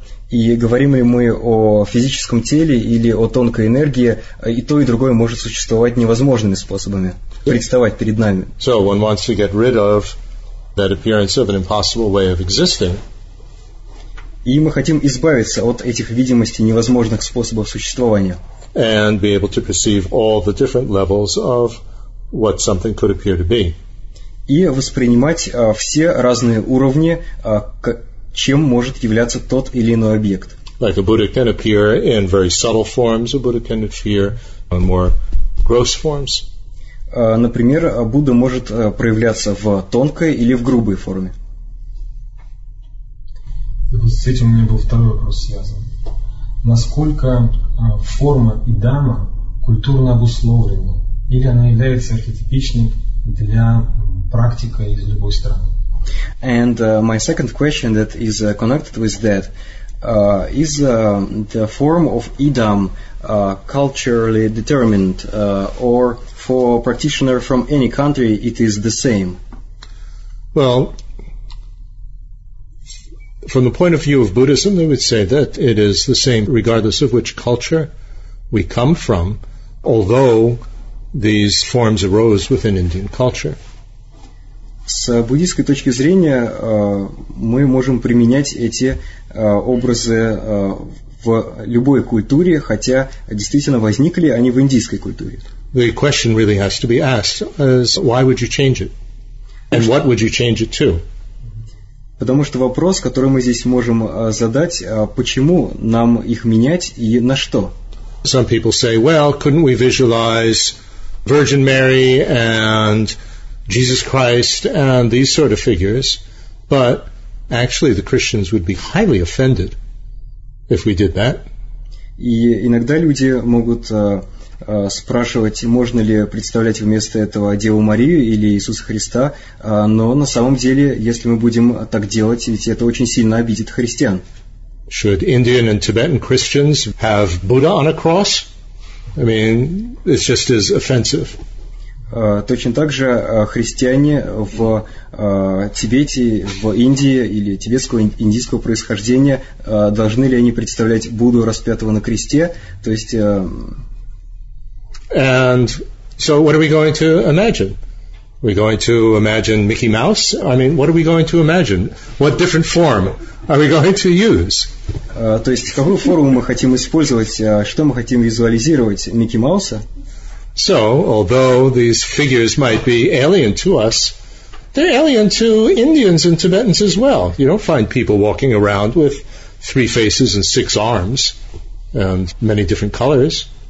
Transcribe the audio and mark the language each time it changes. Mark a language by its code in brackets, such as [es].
[ru] И говорим ли мы о физическом теле или о тонкой энергии, и то, и другое может существовать невозможными способами, представать перед нами. [en] So one wants to get rid of that appearance of an impossible way of existing. [ru] И мы хотим избавиться от этих видимостей невозможных способов существования. [en] And be able to perceive all the different levels of what something could appear to be. [ru] и воспринимать все разные уровни, чем может являться тот или иной объект. [en] Like a Buddha can appear in very subtle forms, a Buddha can appear in more gross forms. [ru] Например, Будда может проявляться в тонкой или в грубой форме. И вот с этим у меня был второй вопрос связан. Насколько форма и дама культурно обусловлены, или она является архетипичной для практика из любой страны? [en] And my second question that is connected with that is the form of idam culturally determined or for a practitioner from any country it is the same? Well, from the point of view of Buddhism, they would say that it is the same regardless of which culture we come from, although these forms arose within Indian culture. [ru] С буддийской точки зрения мы можем применять эти образы в любой культуре, хотя действительно возникли они в индийской культуре. [en] The question really has to be asked is why would you change it? And what would you change it to? [ru] Потому что вопрос, который мы здесь можем задать, почему нам их менять и на что? [en] Some people say, well, couldn't we visualize Virgin Mary and Jesus Christ and these sort of figures, but actually the Christians would be highly offended if we did that. [ru] И иногда люди могут спрашивать, можно ли представлять вместо этого Деву Марию или Иисуса Христа, но на самом деле, если мы будем так делать, ведь это очень сильно обидит христиан. [en] Should Indian and Tibetan Christians have Buddha on a cross? I mean, it's just as offensive. [ru] Точно так же христиане в Тибете, в Индии или тибетского индийского происхождения, должны ли они представлять Будду распятого на кресте? То есть, [en] And so what are we going to imagine? We're going to imagine Mickey Mouse? I mean, what are we going to imagine? What different form are we going to use? [ru] То есть какую форму мы хотим использовать? Что мы хотим визуализировать? Микки Мауса? [en] So, although these figures might be alien to us, they're alien to Indians and Tibetans as well. You don't find people walking around with three faces and six arms and many different colors.